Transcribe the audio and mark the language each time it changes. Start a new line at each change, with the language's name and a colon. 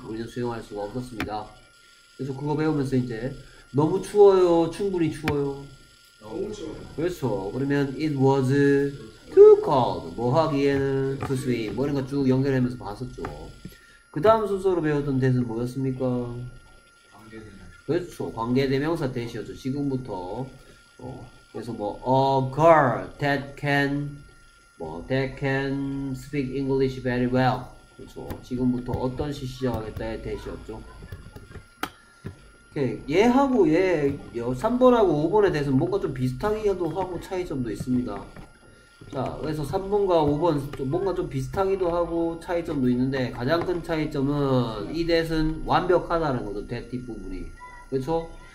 Korean: 우리는 수영할 수가 없었습니다. 그래서 그거 배우면서 이제 너무 추워요. 충분히 추워요. 너무 추워요. 그렇죠. 그러면
English: it was too cold.
Korean: 뭐 하기에는
English: to swim.
Korean: 뭐 이런 거 쭉 연결하면서 봤었죠. 그 다음 순서로 배웠던 대수는 뭐였습니까? 관계대명사. 그렇죠. 관계대명사 대시였죠. 지금부터. 그래서 뭐
English: a girl that can 뭐 that can speak English very well.
Korean: 그렇죠. 지금부터 어떤 시 시작하겠다의 대시였죠. 얘하고 얘, 3번하고 5번에 대해서 뭔가 좀 비슷하기도 하고 차이점도 있습니다. 자, 그래서 3번과 5번 뭔가 좀 비슷하기도 하고 차이점도 있는데 가장 큰 차이점은 이 대신 완벽하다는 거죠. 대팁 부분이. 그렇죠?